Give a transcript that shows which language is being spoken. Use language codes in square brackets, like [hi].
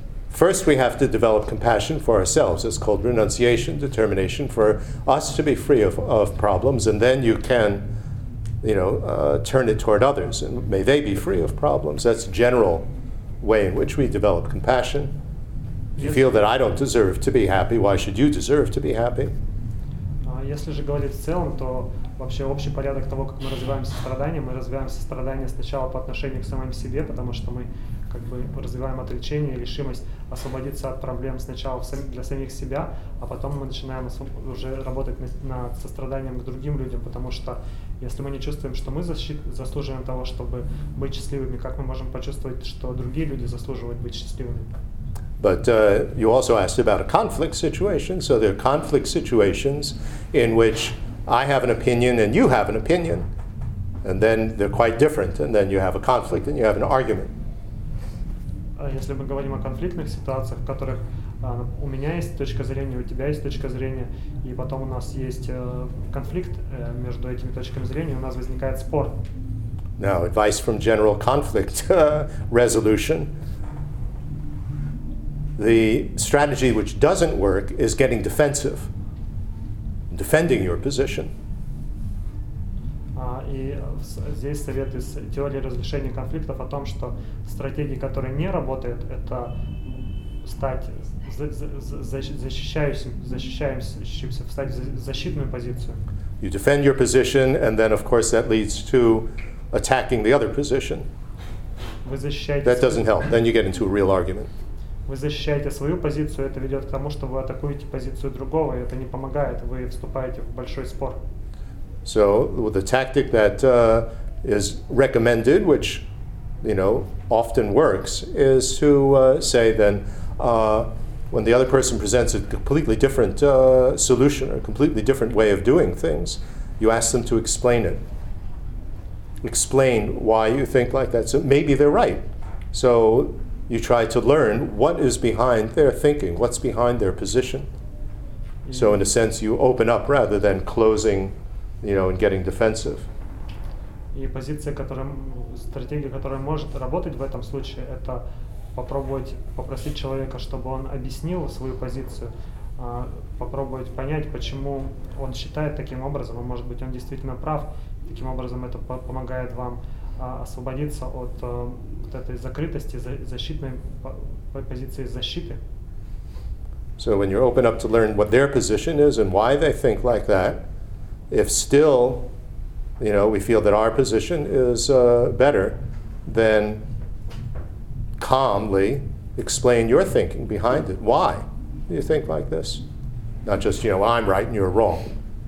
[en] First, we have to develop compassion for ourselves. It's called renunciation, determination for us to be free of problems, and then you can, turn it toward others, and may they be free of problems. That's the general way in which we develop compassion. You feel that I don't deserve to be happy, why should you deserve to be happy? [ru] Если же говорить в целом, то вообще общий порядок того, как мы развиваем сострадание, мы развиваем сострадание сначала по отношению к самим себе, потому что мы как бы развиваем отречение, решимость освободиться от проблем сначала для самих себя, а потом мы начинаем уже работать над состраданием к другим людям, потому что если мы не чувствуем, что мы заслуживаем того, чтобы быть счастливыми, как мы можем почувствовать, что другие люди заслуживают быть счастливыми? [en] But you also asked about a conflict situation. So there are conflict situations in which I have an opinion and you have an opinion. And then they're quite different. And then you have a conflict and you have an argument. [ru] Если мы говорим о конфликтных ситуациях, в которых у меня есть точка зрения, у тебя есть точка зрения, и потом у нас есть конфликт между этими точками зрения, у нас возникает спор. [en] Now, advice from general conflict resolution. The strategy which doesn't work is getting defensive, defending your position. [ru] И здесь совет из теории разрешения конфликтов о том, что стратегия, которая не работает, это стать защищающимся, встать в защитную позицию. [en] You defend your position, and then, of course, that leads to attacking the other position. [ru] Вы защищаете. [en] That doesn't help. Then you get into a real argument. [ru] Вы защищаете свою позицию, это ведет к тому, что вы атакуете позицию другого, и это не помогает, вы вступаете в большой спор. [en] So the tactic that is recommended, which, you know, often works, is to say then, when the other person presents a completely different solution or a completely different way of doing things, you ask them to explain it. Explain why you think like that. So maybe they're right. So you try to learn what is behind their thinking, what's behind their position. Mm-hmm. So in a sense, you open up rather than closing, you know, and getting defensive. [ru] И позиция, которая, стратегия, которая может работать в этом случае, это попробовать попросить человека, чтобы он объяснил свою позицию, попробовать понять, почему он считает таким образом, а может быть, он действительно прав. Таким образом, это помогает вам освободиться от вот этой закрытости, защитной позиции защиты. [en] So when you open up to learn what their position is and why they think like that, if still, you know, we feel that our position is better, then calmly explain your thinking behind it. Why do you think like this? Not just, you know, I'm right and you're wrong.